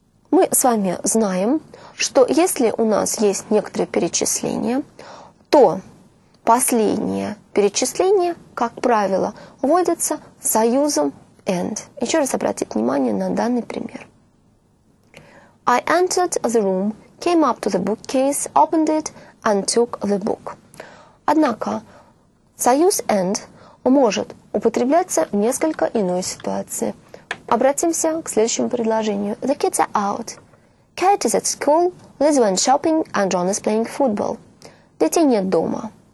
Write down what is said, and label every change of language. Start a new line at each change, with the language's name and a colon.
Russian: Мы с вами знаем, что если у нас есть некоторое перечисление, то последнее перечисление, как правило, вводится союзом and. Еще раз обратите внимание на данный пример. I entered the room, came up to the bookcase, opened it and took the book. Однако союз and может употребляться в несколько иной ситуации. Обратимся к следующему предложению.
English: The kids are out. Kate is at school, Liz went shopping and John is playing football.
Russian: Детей нет дома.